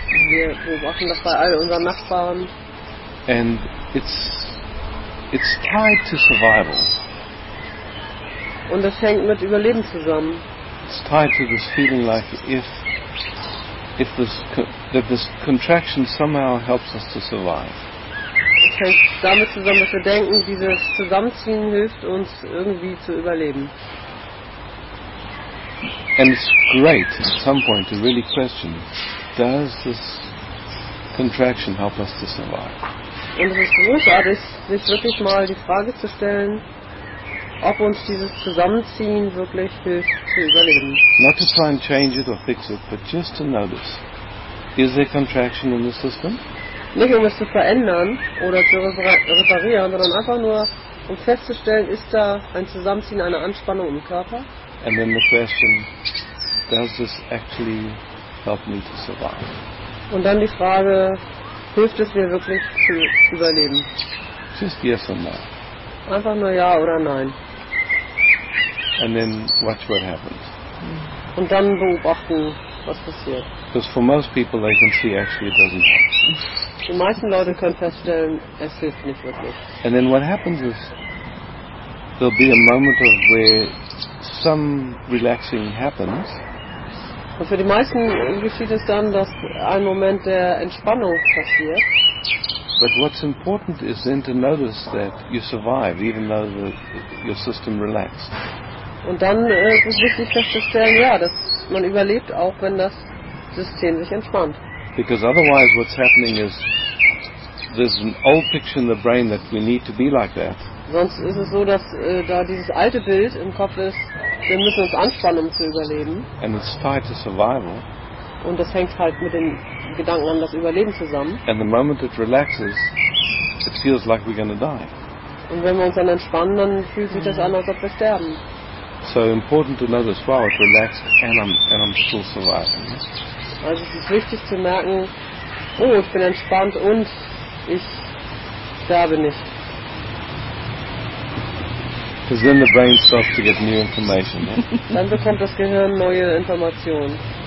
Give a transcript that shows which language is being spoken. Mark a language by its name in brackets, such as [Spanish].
[German] Wir beobachten das bei all unseren Nachbarn. [English] And it's tied to survival. [German] Und das hängt mit Überleben zusammen. [English] It's tied to this feeling like if this that this contraction somehow helps us to survive. [German] Es hängt damit zusammen, dass wir denken, dieses Zusammenziehen hilft uns irgendwie zu überleben. [English] And it's great at some point to really question, does this contraction help us to survive? [German] Und es ist großartig, sich wirklich mal die Frage zu stellen, ob uns dieses Zusammenziehen wirklich hilft zu überleben. [English] Not to try and change it or fix it, but just to notice, is there contraction in the system? [German] Nicht um es zu verändern oder zu reparieren, sondern einfach nur um festzustellen, ist da ein Zusammenziehen, eine Anspannung im Körper? [English] And then the question, does this actually help me to survive? [German] Und dann die Frage, hilft es mir wirklich zu überleben? [English] Just yes or no. [German] Einfach nur ja oder nein. [English] And then watch what happens. [German] Und dann beobachten, was passiert. [English] Because for most people they can see actually it doesn't help. [German] Die meisten Leute können feststellen, es hilft nicht wirklich. [English] And then what happens is, there'll be a moment of where some relaxing happens. [German] Und für die meisten geschieht es dann, dass ein Moment der Entspannung passiert. [English] But what's important is then to notice that you survive, even though your system relaxed. [German] Und dann ist es wichtig festzustellen, ja, dass man überlebt, auch wenn das System sich entspannt. [English] Because otherwise what's happening is there's an old picture in the brain that we need to be like that. [German] Sonst ist es so, dass da dieses alte Bild im Kopf ist, wir müssen uns anspannen, um zu überleben. [English] And it's tied to survival. [German] Und das hängt halt mit den Gedanken an das Überleben zusammen. [English] And the moment it relaxes, it feels like we're going to die. [German] Und wenn wir uns dann entspannen, dann fühlt sich das an, als ob wir sterben. [English] So important to notice, wow, it relaxed and I'm still surviving. [German] Also es ist wichtig zu merken, oh, ich bin entspannt und ich sterbe nicht. [English] Because then the brain starts to get new information. Yeah? [German] Dann bekommt das Gehirn neue Information.